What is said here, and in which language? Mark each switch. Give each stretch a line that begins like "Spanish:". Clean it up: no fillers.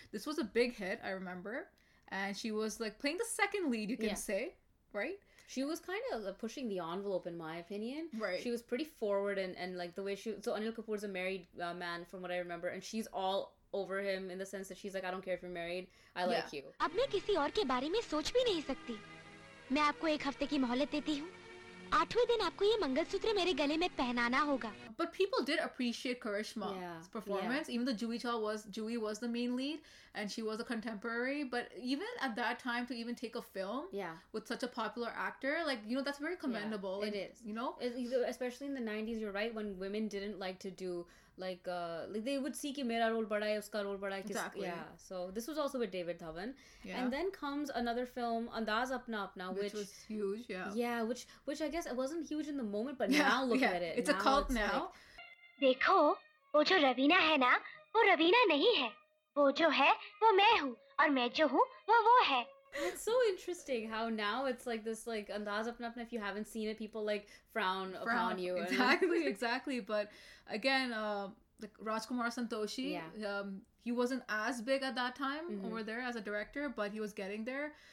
English: This was a big hit, I remember. And she was, like, playing the second lead, you can yeah. say, right? She was kind of pushing the envelope, in my opinion. Right. She was pretty forward and like, the way she... So Anil Kapoor's a married man, from what I remember, and she's all over him in the sense that she's like, I don't care if you're married, I like you.
Hindi: अब मैं किसी और के बारे में सोच भी नहीं सकती. मैं आपको एक हफ्ते की मोहलत देती हूँ. आठवें दिन आपको ये मंगलसूत्र मेरे गले में पहनाना होगा.
English: But people did appreciate Karishma's yeah, performance, yeah. even though Juhi was the main lead and she was a contemporary. But even at that time, to even take a film yeah. with such a popular actor, like, you know, that's very commendable. Yeah, like, it is. You know? Especially in the 90s, you're right, when women didn't like to do, like they would see
Hindi: कि मेरा role बड़ा है,
English: उसका रोल बड़ा है. Exactly. Yeah, so this was also with David Dhawan. Yeah. And then comes another film, Andaz Apna Apna, which was huge, yeah. Yeah, which I guess it wasn't huge in the moment, but yeah, now look yeah. at it. It's now a cult now.
Hindi: देखो वो जो रवीना है ना वो रवीना नहीं है वो जो है वो मैं हूँ और मैं जो हूँ वो है
English: It's so interesting how now it's like this, like, Andaz Apna Apna, if you haven't seen it, people like frown upon you. Exactly. But again, like Rajkumar Santoshi, yeah. He wasn't as big at that time mm-hmm. over there as a director, but he was getting there.